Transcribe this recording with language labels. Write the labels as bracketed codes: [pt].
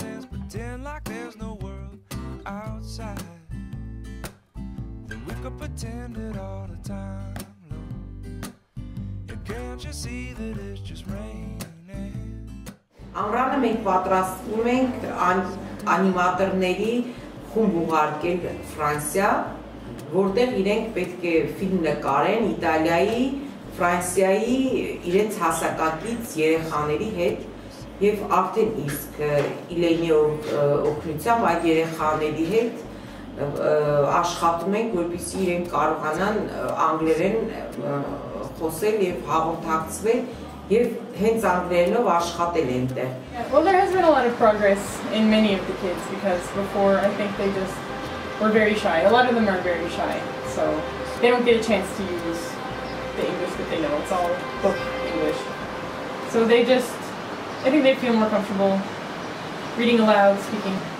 [en] Pretend like there's no world outside, then we could pretend it all the time. No. And can't you see that it's just raining? [hy] Ամռանը մենք պատրաստվում ենք անիմատորների խումբ ուղարկել Ֆրանսիա, որտեղ իրենք պետք է ֆիլմ նկարեն Իտալիայի, Ֆրանսիայի իրենց հասակակից երեխաների հետ. Եվ արդեն իսկ Իլենի օգնությամբ այդ երեխաների հետ աշխատում ենք, որպեսզի իրենք կարողանան անգլերեն խոսել եւ հաղորդակցվել, եւ հենց անգլերենով աշխատել ենտեղ։ [en] Well, there has been a lot of progress in many of the kids, because before I think they just were very shy. A lot of them are very shy, so they don't get a chance to use the English that they know. It's all book English. So they just, I think they feel more comfortable reading aloud, speaking.